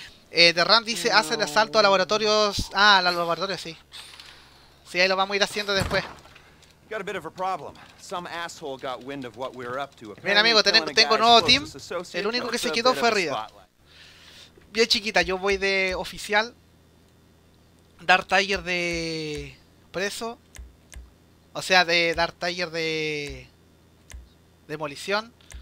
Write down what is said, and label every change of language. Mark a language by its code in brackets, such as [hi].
[es] The Ram dice, hace el asalto a laboratorios. Ah, a los laboratorios, sí. Sí, ahí lo vamos a ir haciendo después. [en] Got a bit of a problem. Some asshole got wind of what we were up to. [es] Bien, amigo, tengo nuevo team. El único que se quedó fue Rida. Bien, chiquita, yo voy de oficial. Dark Tiger de preso. O sea, de Dark Tiger de demolición.